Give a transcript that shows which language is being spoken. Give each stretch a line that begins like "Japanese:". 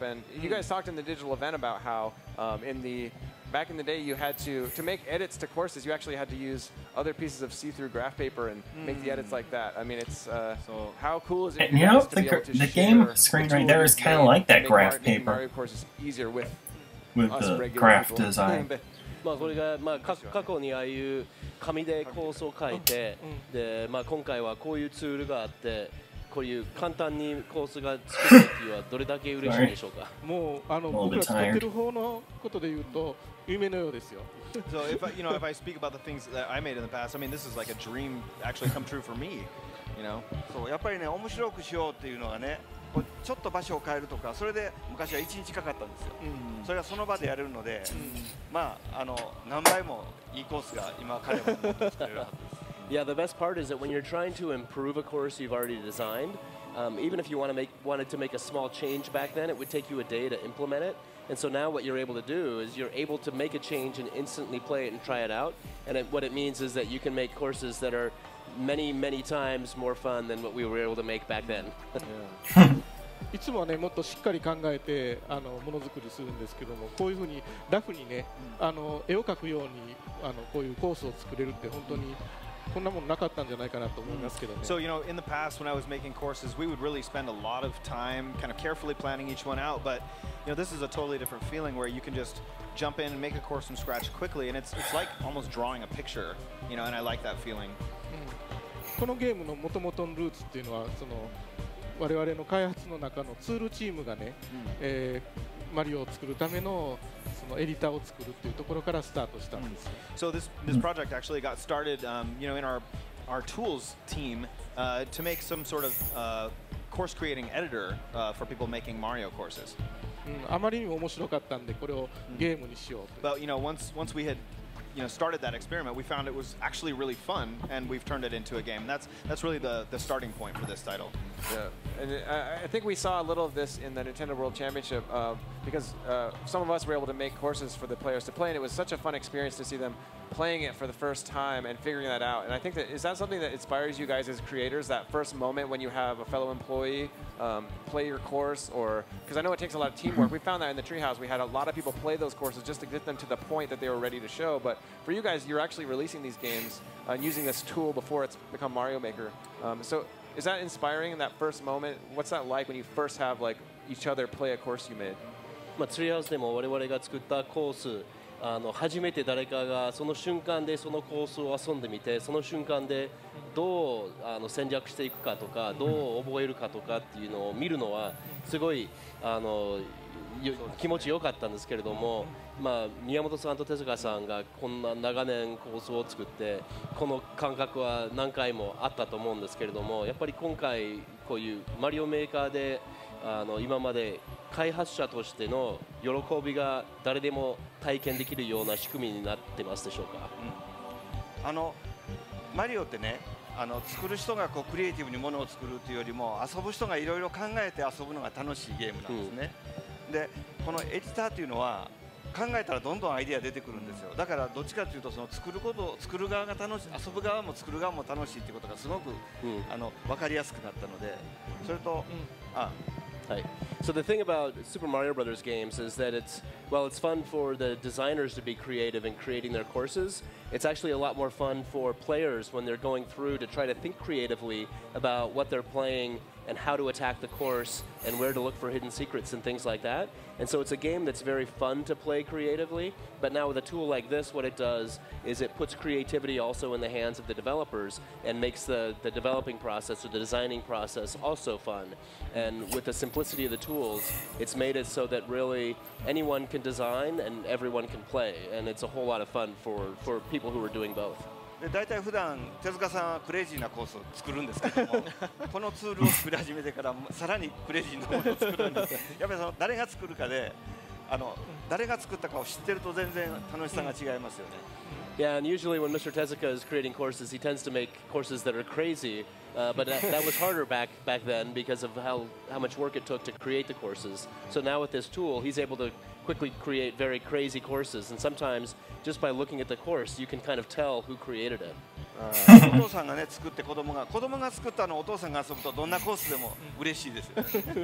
English: And you guys talked in the digital event about how back in the day you had to make edits to courses, you actually had to use other pieces of see-through graph paper and make the edits like that. I mean, it's how cool is it? And you know, the game screen right there is kind of like that graph paper. Mario courses easier with the graph design.
Japanese: まあこれがまあ過去にああいう紙でコースを書いてでまあ今回はこういうツールがあってこういう簡単にコースが作れるっていうのはどれだけ嬉しいでしょうか。もうあの僕が作ってる方のことで言うと夢のようですよ。
English: So if I speak about the things that I made in the past, I mean this is like a dream actually come true for me, you know.
Japanese: そうやっぱりね面白くしようっていうのはね。ちょっと場所を変えるとか、それで昔は1日かかったんですよ。それはその場でやれるので、まああの何倍もいいコースが今彼は持ってきているはずです。
English: Yeah, the best part is that when you're trying to improve a course you've already designed, Even if you wanted to make a small change back then, it would take you a day to implement it. And so now what you're able to do is you're able to make a change and instantly play it and try it out. And it, what it means is that you can make courses that are many, many times more fun than what we were able to make back then.
Japanese: いつもはね、もっとしっかり考えてあのものづくりするんですけども、こういうふうにラフにね、あの絵を描くようにあのこういうコースを作れるって本当にこんなものなかったんじゃないかなと思いますけどね。
English: So, you know, in the past when I was making courses, we would really spend a lot of time kind of carefully planning each one out, but, you know, this is a totally different feeling where you can just jump in and make a course from scratch quickly, and it's like almost drawing a picture, you know, and I like that feeling.
Japanese: このゲームの元々のルーツっていうのは、その我々の開発の中のツールチームがね、マリオを作るためのそのエディターを作るっていうところからスタートしたんです。
English: So this project actually got started, you know, in our tools team, to make some sort of course creating editor, for people making Mario courses.
Japanese: あまりにも面白かったんでこれをゲームにしようと。
English: But you know, once we had, you know, started that experiment, we found it was actually really fun, and we've turned it into a game. That's really the starting point for this title. Yeah, and I think we saw a little of this in the Nintendo World Championship, because some of us were able to make courses for the players to play, and it was such a fun experience to see them playing it for the first time and figuring that out. And I think that, is that something that inspires you guys as creators, that first moment when you have a fellow employee play your course? Or, because I know it takes a lot of teamwork. We found that in the Treehouse, we had a lot of people play those courses just to get them to the point that they were ready to show. But for you guys, you're actually releasing these games and using this tool before it's become Mario Maker. So is that inspiring in that first moment? What's that like when you first have like each other play a course you made?
Japanese: Treehouse でも我々が作ったコース、あの初めて誰かがその瞬間でそのコースを遊んでみて、その瞬間でどうあの戦略していくかとか、どう覚えるかとかっていうのを見るのはすごいあの気持ちよかったんですけれども、まあ宮本さんと手塚さんがこんな長年コースを作って、この感覚は何回もあったと思うんですけれども、やっぱり今回こういうマリオメーカーであの今まで開発者としての喜びが誰でも体験できるような仕組みになってますでしょうか、あのマリオってね、あの作る人がこうクリエイティブにものを作るというよりも遊ぶ人がいろいろ考えて遊ぶのが楽しいゲームなんですね、でこのエディターというのは考えたらどんどんアイデア出てくるんですよ、だからどっちかというとその作ること作る側が楽しい、遊ぶ側も作る側も楽しいということがすごく、あの分かりやすくなったので、それと、
English: So the thing about Super Mario Brothers games is that it's, well, it's fun for the designers to be creative in creating their courses. It's actually a lot more fun for players when they're going through to try to think creatively about what they're playing and how to attack the course and where to look for hidden secrets and things like that. And so it's a game that's very fun to play creatively. But now with a tool like this, what it does is it puts creativity also in the hands of the developers and makes the developing process or the designing process also fun. And with the simplicity of the tools, it's made it so that really anyone can design and everyone can play. And it's a whole lot of fun for people who are doing both.
Japanese: だいたい普段手塚さんはクレイジーなコースを作るんですけども、このツールを作り始めてからさらにクレイジーなものを作るんです。やっぱりその誰が作るかで、あの誰が作ったかを知ってると全然楽しさが違いますよね。
English: Yeah, and usually when Mr. Tezuka is creating courses, he tends to make courses that are crazy. But that was harder back then because of how much work it took to create the courses. So now with this tool, he's able to quickly create very crazy courses. And sometimes, just by looking at the course, you can kind of tell who created it.
Japanese: お父さんがね作って子供が作ったのをお父さんが遊ぶとどんなコースでも嬉しいですよ。